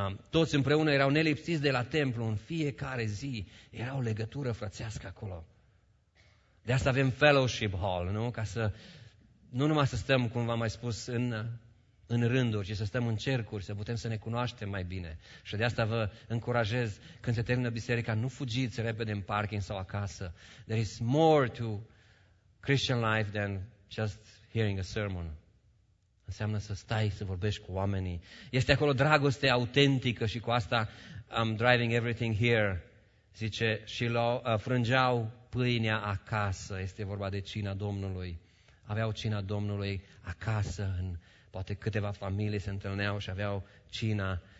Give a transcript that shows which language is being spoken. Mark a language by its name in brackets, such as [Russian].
[Romanian] Toți împreună erau nelipsiți de la templu în fiecare zi, era o legătură frățească acolo. De asta avem fellowship hall, nu? Ca să nu numai să stăm, cum v-am mai spus, în rânduri, ci să stăm în cercuri, să putem să ne cunoaștem mai bine. Și de asta vă încurajez, când se termină biserica, nu fugiți repede în parking sau acasă. [English] There is more to Christian life than just hearing a sermon. [Romanian] Înseamnă să stai, să vorbești cu oamenii. Este acolo dragoste autentică și cu asta [English] I'm driving everything here. [Romanian] Zice, și frângeau pâinea acasă, este vorba de cina Domnului. Aveau cina Domnului acasă, în poate câteva familii se întâlneau și aveau cina.